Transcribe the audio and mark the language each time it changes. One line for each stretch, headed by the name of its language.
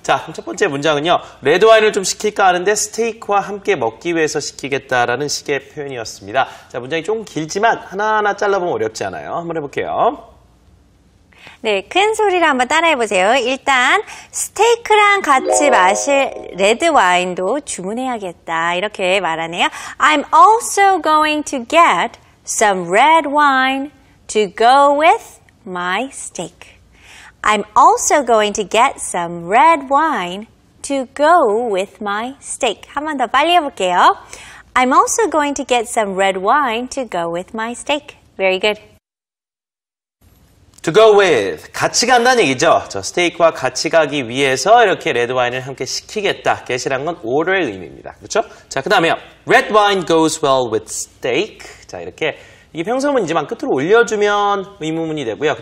Korean: 자, 그럼 첫 번째 문장은요. 레드 와인을 좀 시킬까 하는데 스테이크와 함께 먹기 위해서 시키겠다라는 식의 표현이었습니다. 자, 문장이 좀 길지만 하나하나 잘라보면 어렵지 않아요. 한번 해볼게요. 네, 큰 소리로 한번 따라해 보세요. 일단 스테이크랑 같이 마실 레드 와인도 주문해야겠다. 이렇게 말하네요.
English: I'm also going to get some red wine to go with my steak. I'm also going to get some red wine to go with my steak.
Korean: 한 번 더 빨리 해 볼게요.
English: I'm also going to get some red wine to go with my steak. Very good. To go with,
Korean: 같이 간다는 얘기죠. 저 스테이크와 같이 가기 위해서 이렇게 레드 와인을 함께 시키겠다. get이란 건 order의 의미입니다. 그렇죠? 자, 그 다음에요.
English: Red wine goes well with steak.
Korean: 자, 이렇게 이게 평소문이지만 끝으로 올려주면 의문문이 되고요.